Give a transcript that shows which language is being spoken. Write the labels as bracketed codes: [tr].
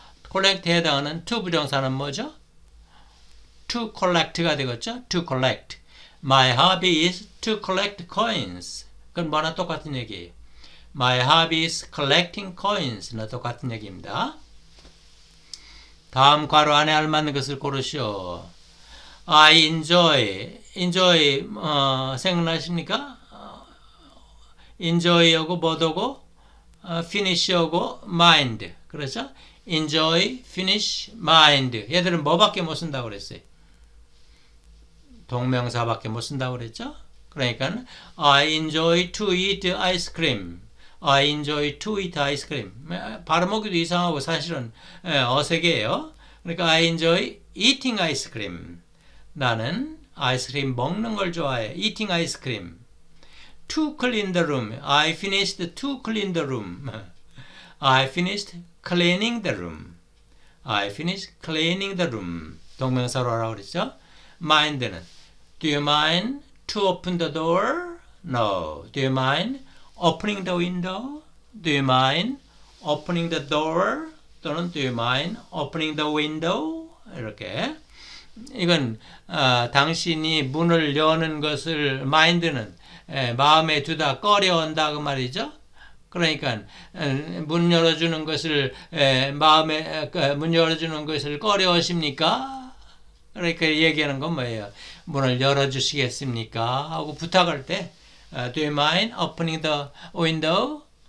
[ko] collect에 해당하는 to 부정사는 뭐죠? [en] To collect [ko] 가 되겠죠? [en] To collect. My hobby is to collect coins. [ko] 그건 뭐나 똑같은 얘기예요. [en] My hobby is collecting coins. [ko] 나 똑같은 얘기입니다. 다음 괄호 안에 알맞는 것을 고르시오. [en] I enjoy. [ko] Enjoy 생각나십니까? Enjoy하고 뭐더고? [en] Finish하고 mind. [ko] 그렇죠? [en] Enjoy, finish, mind. [ko] 얘들은 뭐밖에 못 쓴다고 그랬어요? 동명사밖에 못 쓴다고 그랬죠? 그러니까 [en] I enjoy to eat ice cream. I enjoy to eat ice cream. [ko] 발음하기도 이상하고 사실은 어색해요. 그러니까 [en] I enjoy eating ice cream. [ko] 나는 아이스크림 먹는 걸 좋아해. [en] Eating ice cream. To clean the room. I finished to clean the room. I finished cleaning the room. I finished cleaning the room. [ko] 동명사로 하라고 그랬죠? [en] Mind는 Do you mind to open the door? No. Do you mind opening the window? Do you mind opening the door? [ko] 또는 [en] Do you mind opening the window? [ko] 이렇게 이건 당신이 문을 여는 것을 mind는 마음에 두다 꺼려온다 그 말이죠. 그러니까 문 열어주는 것을 마음에 문 열어주는 것을 꺼려오십니까? 그러니까 얘기하는 건 뭐예요? 문을 열어주시겠습니까? 하고 부탁할 때 [en] Do you mind opening the window?